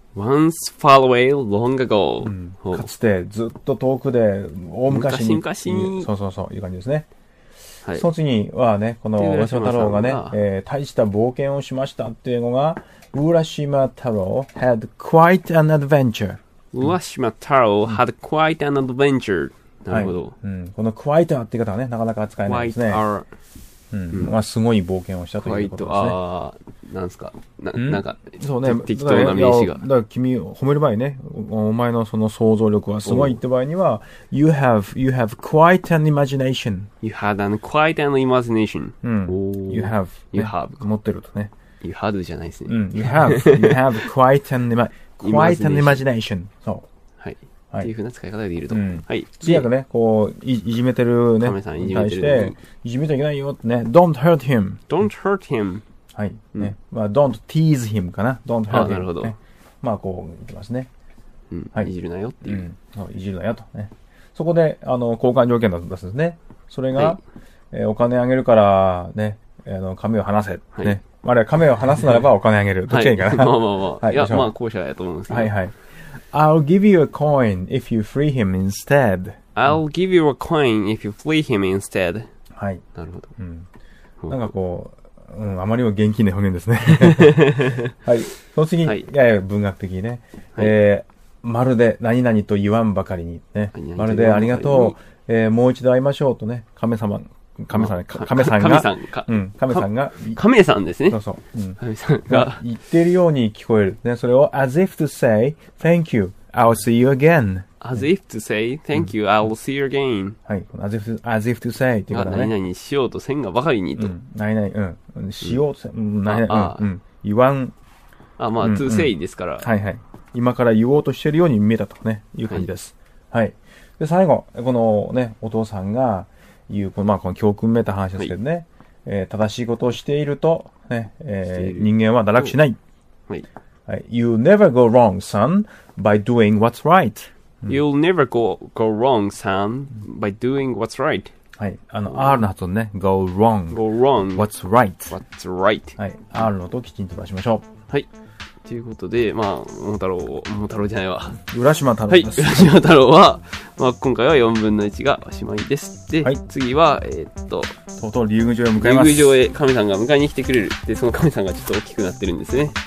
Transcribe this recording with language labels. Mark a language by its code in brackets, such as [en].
[en] once far away, long ago.、 [ja] うん、かつて、ずっと遠くで、大昔に。昔に。そうそうそう、いう感じですね。はい、その次はね、この浦島太郎がね、大した冒険をしましたっていう英語が、浦島太郎 [en] had quite an adventure。浦島太郎 had quite an adventure。 [ja] なるほど。はい、うん、この quite っていう方はね、なかなか使えないですね。 [en] quite are、 [ja] うん、うん、まあすごい冒険をしたということですね。 [en] quite are、 [ja] なんですか、なんか、そうね、適当な名詞が。だから君、褒める場合ね、お前のその想像力はすごいって場合には、 [en] you have quite an imagination。 You had an quite an imagination. You have. You have. [ja] 持ってるとね。 [en] You had [ja] じゃないですね。 [en] You have. You have quite an imagination. Quite an imagination. そう。 [ja] はい。はい。っていう風な使い方でいると。うん、はい。次はね、こう、いじめてるね。亀さんいじめてる。対して、いじめちゃいけないよってね。 [en] Don't hurt him. Don't hurt him. [ja] はい。うん、ね。まあ、 [en] don't tease him [ja] かな。 [en] Don't hurt him. [ja] あ、なるほど。ね、まあ、こう言ってますね。うん。はい。いじるなよっていう。うん。そう、いじるなよと。ね。そこで、交換条件だったんですね。それが、はい、お金あげるから、ね、髪を離せ。はい、ね。あれ、髪を離すならばお金あげる。どっちがいいかな。はい、まあまあまあ。はい、いや、まあ、後者だと思うんですけど。はいはい。 [en] I'll give you a coin if you free him instead. I'll give you a coin if you free him instead. [ja] はい。なるほど。うん。なんかこう、うん、あまりも現金で表現ですね。はい。その次、はい、いやいや文学的にね、はい、まるで何々と言わんばかりにね、何々まるでありがとう、もう一度会いましょうとね、亀様。亀さん、亀さんが、亀さんが、亀さんですね。そうそう。亀さんが。言ってるように聞こえる。ね、それを、 [en] as if to say, thank you, I'll see you again. As if to say, thank you, I'll see you again. [ja] はい。 [en] as if to say, [ja] っていうことだね。何々しようとせんがばかりにと。何々、うん。しようとせん、何々、うん。言わん。あ、まあ、 [en] to say [ja] ですから。はいはい。今から言おうとしてるように見えたとね、いう感じです。はい。で、最後、このね、お父さんが、いう、まあ、この教訓めいた話ですけどね、はい、正しいことをしていると、ね、人間は堕落しない。はい。 [en] You never go wrong, son, by doing what's right. You'll never go wrong, son, by doing what's right. [ja] はい。 R の発音ね、 [en] go wrong. Go wrong. What's right. What's right. [ja] はい。 R の音をきちんと出しましょう。はい。ということで、まあ、桃太郎じゃないわ。浦島太郎です。はい、浦島太郎は、まあ、今回は4分の1がおしまいです。で、はい、次は、とうとう竜宮城へ向かいます。竜宮城へ神さんが迎えに来てくれる。で、その神さんがちょっと大きくなってるんですね。